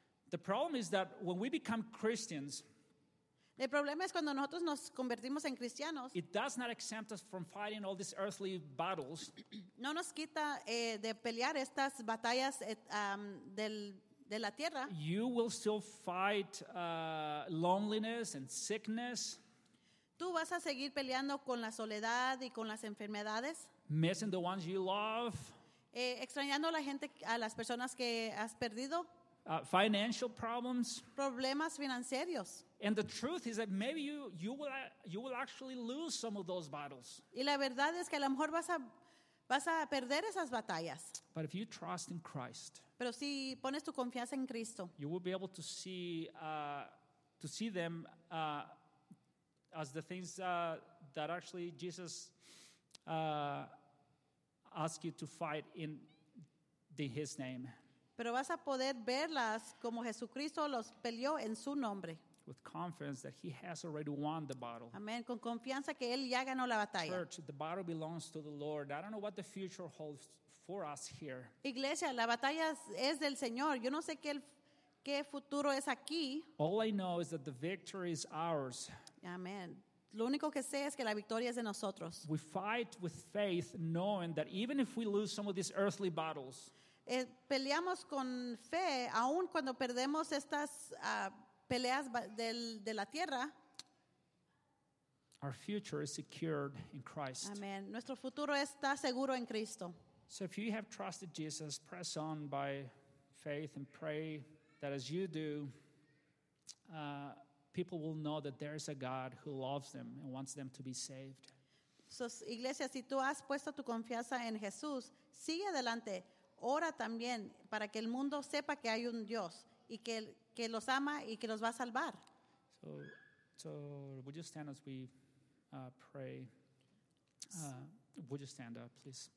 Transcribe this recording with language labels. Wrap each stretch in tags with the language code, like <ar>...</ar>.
<en>The problem is that when we become Christians,</en> <es>El problema es cuando nosotros nos convertimos en cristianos.</es> <en>It does not exempt us from fighting all these earthly battles.</en> <es>No nos quita de pelear estas batallas de la tierra.</es> <en>You will still fight loneliness and sickness.</en> <es>Tú vas a seguir peleando con la soledad y con las enfermedades.</es> <en>Missing the ones you love.</en> <es>Extrañando la gente, a las personas que has perdido.</es> <en>Financial problems.</en> <es>Problemas financieros.</es> <en>And the truth is that maybe you will actually lose some of those battles.</en> <es>Y la verdad es que a lo mejor vas a perder esas batallas.</es> <en>But if you trust in Christ,</en> <es>pero si pones tu confianza en Cristo,</es> <en>you will be able to see them as the things that actually Jesus asked you to fight in his name.</en> <es>Pero vas a poder verlas como Jesucristo los peleó en su nombre.</es> <en>With confidence that he has already won the battle. Amen.</en> <es>Con confianza que él ya ganó la batalla.</es> <en>Church, the battle belongs to the Lord. I don't know what the future holds for us here.</en> <es>Iglesia, la batalla es del Señor. Yo no sé qué futuro es aquí.</es> <en>All I know is that the victory is ours. Amen.</en> <es>Lo único que sé es que la victoria es de nosotros.</es> <en>We fight with faith, knowing that even if we lose some of these earthly battles,</en> <es>peleamos con fe aun cuando perdemos estas peleas de la tierra.</es> <en>Our future is secured in Christ.</en> <es>Amen. Nuestro futuro está seguro en Cristo.</es> <en>So if you have trusted Jesus, press on by faith and pray that as you do, people will know that there is a God who loves them and wants them to be saved.</en> <es>So, iglesia, si tú has puesto tu confianza en Jesús, sigue adelante. Ora también para que el mundo sepa que hay un Dios y que los ama y que los va a salvar.</es> <en>So would you stand as we pray? Would you stand up, please?</en>